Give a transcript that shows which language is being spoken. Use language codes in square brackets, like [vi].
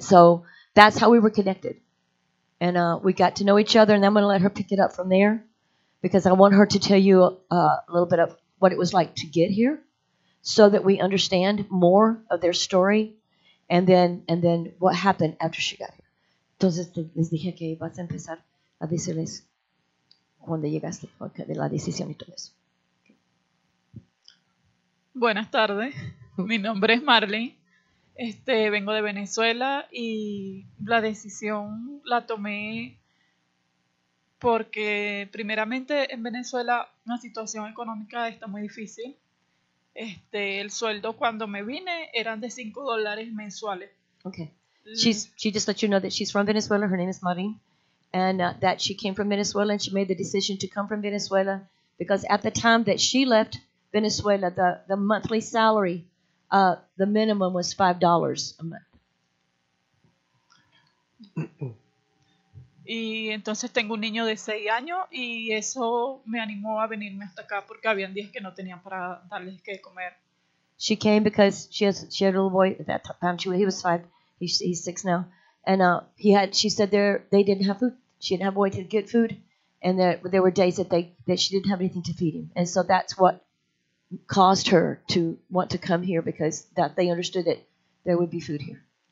[en] And so that's how we were connected, and we got to know each other. And I'm going to let her pick it up from there, because I want her to tell you a little bit of what it was like to get here, so that we understand more of their story. And then what happened after she got here? [es] Entonces les dije que vas a empezar a decirles cuando llegaste, porque de la decisión y todo eso. Buenas tardes, mi nombre es Marlene. Vengo de Venezuela y la decisión la tomé porque primeramente en Venezuela la situación económica está muy difícil. El sueldo cuando me vine eran de $5 mensuales. [en] Okay. She just let you know that she's from Venezuela. Her name is Marín. And that she came from Venezuela and she made the decision to come from Venezuela because at the time that she left Venezuela, the monthly salary, the minimum was $5 a month. [es] Y entonces tengo un niño de 6 años y eso me animó a venirme hasta acá porque habían días que no tenían para darles que comer. [en] She came because she had a little boy at that time. He was 5. He's 6 now. And she said they didn't have food. She didn't have a way to get food. And there were days that she didn't have anything to feed him. And so that's what caused her to want to come here because that they understood that there would be food here.